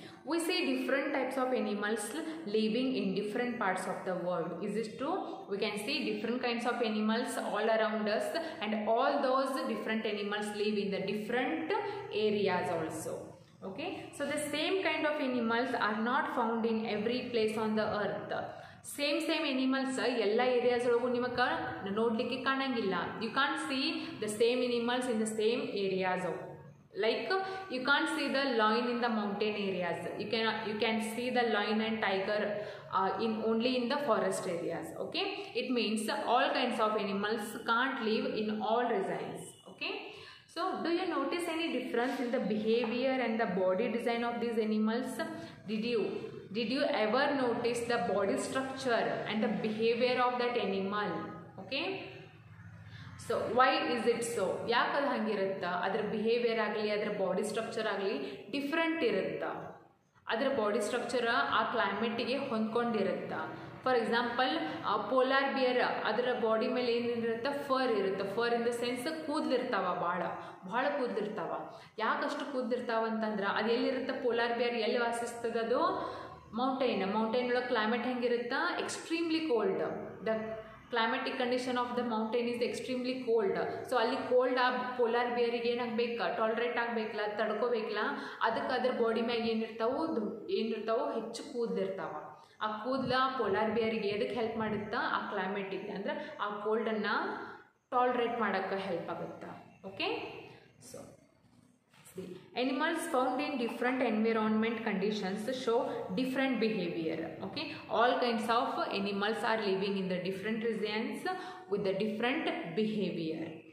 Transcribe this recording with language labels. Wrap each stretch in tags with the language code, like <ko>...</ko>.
<en>We see different types of animals living in different parts of the world. Is this true? We can see different kinds of animals all around us, and all those different animals live in the different areas also. Okay, so the same kind of animals are not found in every place on the earth. Same animals</en> <kn>ಎಲ್ಲ areas ಒಳಗು ನಿಮಗೆ ನೋಡ್ಲಿಕ್ಕೆ ಕಾಣಂಗಿಲ್ಲ.</kn> <en>You can see the same animals in the same areas of Like you can't see the lion in the mountain areas. You can see the lion and tiger only in the forest areas. Okay, it means all kinds of animals can't live in all regions. Okay, so do you notice any difference in the behavior and the body design of these animals? Did you ever notice the body structure and the behavior of that animal? Okay. So why is it so?</en> <kn>ಯಾಕೆ ಅದು ಹಂಗಿರುತ್ತೆ? ಅದರ behaviour ಆಗಲಿ, ಅದರ body structure ಆಗಲಿ different ಇರುತ್ತೆ. ಅದರ body structure ಆ ಕ್ಲೈಮೇಟಿಗೆ ಹೊಂದ್ಕೊಂಡಿರುತ್ತೆ. For example, ಆ ಪೋಲಾರ್ ಬಿಯರ್, ಅದರ ಬಾಡಿ ಮೇಲೆ ಏನಿರುತ್ತೆ? ಫರ್ ಇರುತ್ತೆ.</kn> <en>fur in the sense</en> <kn>ಕೂದಲಿರ್ತಾವ, ಭಾಳ ಭಾಳ ಕೂದಲಿರ್ತಾವ. ಯಾಕೆ ಅಷ್ಟು ಕೂದಲಿರ್ತಾವ ಅಂತಂದ್ರೆ, ಅದು ಎಲ್ಲಿರುತ್ತೆ? ಪೋಲಾರ್ ಬಿಯರ್ ಎಲ್ಲಿ ವಾಸಿಸ್ತದ? ಅದು ಮೌಂಟೈನ್. ಮೌಂಟೈನ್ ಒಳಗೆ ಕ್ಲೈಮೇಟ್ ಹೆಂಗಿರುತ್ತೆ?</kn> <en>Extremely cold. The climatic condition of the mountain is extremely cold.</en> <kn>So ಅಲ್ಲಿ ಕೋಲ್ಡ್ ಆ ಪೋಲಾರ್ ಬಿಯರಿಗೆ ಏನಾಗಬೇಕು? ಟಾಲರೇಟ್ ಆಗಬೇಕಲ್ಲ, ತಡ್ಕೋಬೇಕಲ್ಲ. ಅದಕ್ಕೆ ಅದ್ರ ಬಾಡಿ ಮ್ಯಾಗ ಏನಿರ್ತಾವೋ ಹೆಚ್ಚು ಕೂದಲಿರ್ತಾವ. ಆ ಕೂದಲ ಪೋಲಾರ್ ಬಿಯರಿಗೆ ಎದಕ್ಕೆ ಹೆಲ್ಪ್ ಮಾಡುತ್ತೆ? ಆ ಕ್ಲೈಮೆಟಿಗೆ, ಅಂದ್ರೆ ಆ ಕೋಲ್ಡನ್ನು ಟಾಲರೇಟ್ ಮಾಡೋಕ್ಕೆ ಹೆಲ್ಪ್ ಆಗುತ್ತೆ. Okay.</kn> <en>So animals found in different environment conditions show different behavior. Okay, all kinds of animals are living in the different regions with the different behavior.</en>